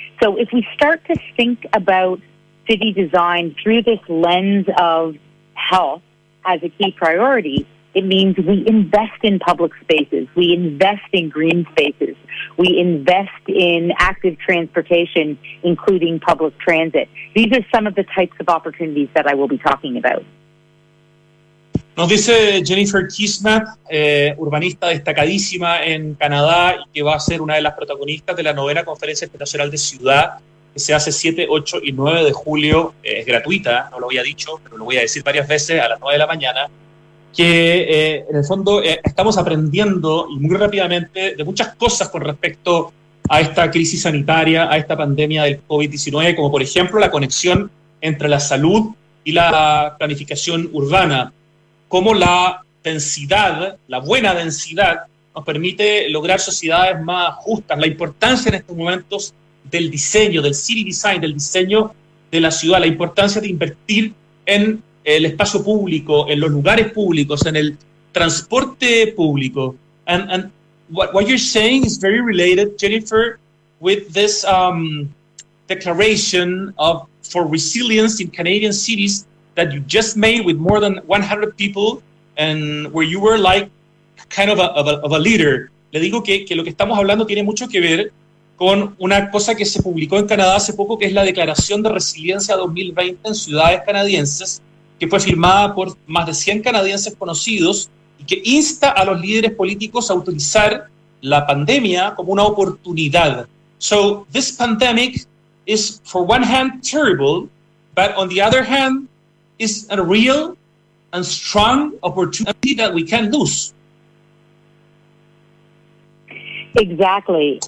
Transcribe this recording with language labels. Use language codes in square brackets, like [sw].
[en] So if we start to think about city design through this lens of health as a key priority, it means we invest in public spaces, we invest in green spaces, we invest in active transportation, including public transit. These are some of the types of opportunities that I will be talking about. [es] Nos dice Jennifer Kismet, urbanista destacadísima en Canadá, y que va a ser una de las protagonistas de la novena Conferencia Internacional de Ciudad, que se hace 7, 8 y 9 de julio, es gratuita, no lo había dicho, pero lo voy a decir varias veces, a las 9 de la mañana, que en el fondo estamos aprendiendo muy rápidamente de muchas cosas con respecto a esta crisis sanitaria, a esta pandemia del COVID-19, como por ejemplo la conexión entre la salud y la planificación urbana, cómo la densidad, la buena densidad, nos permite lograr sociedades más justas, la importancia en estos momentos del diseño, del city design, del diseño de la ciudad, la importancia de invertir en el espacio público, en los lugares públicos, en el transporte público. [en] And what you're saying is very related, Jennifer, with this declaration of for resilience in Canadian cities that you just made with more than 100 people and where you were like kind of a leader. [es] Le digo que lo que estamos hablando tiene mucho que ver con una cosa que se publicó en Canadá hace poco, que es la Declaración de Resiliencia 2020 en ciudades canadienses, que fue firmada por más de 100 canadienses conocidos y que insta a los líderes políticos a utilizar la pandemia como una oportunidad. [en] So this pandemic is for one hand terrible, but on the other hand is a real and strong opportunity that we can't lose. Exactly.